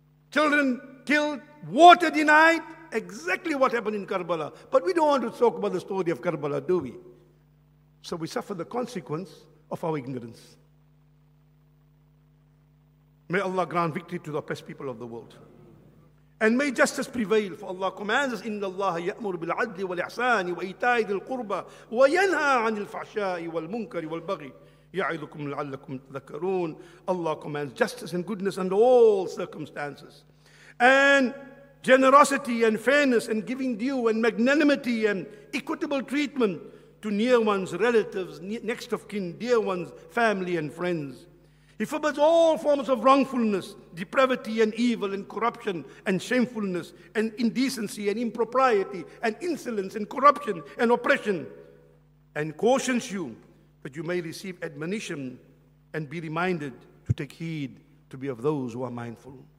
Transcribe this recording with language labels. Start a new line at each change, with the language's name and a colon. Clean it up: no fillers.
English: Children killed, water denied, exactly what happened in Karbala. But we don't want to talk about the story of Karbala, do we? So we suffer the consequence of our ignorance. May Allah grant victory to the oppressed people of the world. And may justice prevail, for Allah commands us,
Arabic: إِنَّ اللَّهَ يَأْمُرُ بِالْعَدْلِ وَالْإِحْسَانِ وَإِيتَاءِ ذِي الْقُرْبَى وَيَنْهَى عَنِ الْفَحْشَاءِ وَالْمُنكَرِ وَالْبَغْيِ يَعِظُكُمْ لَعَلَّكُمْ تَذَكَّرُونَ.
English: Allah commands justice and goodness under all circumstances. And generosity and fairness and giving due and magnanimity and equitable treatment to near ones, relatives, next of kin, dear ones, family and friends. He forbids all forms of wrongfulness, depravity and evil and corruption and shamefulness and indecency and impropriety and insolence and corruption and oppression, and cautions you that you may receive admonition and be reminded to take heed to be of those who are mindful.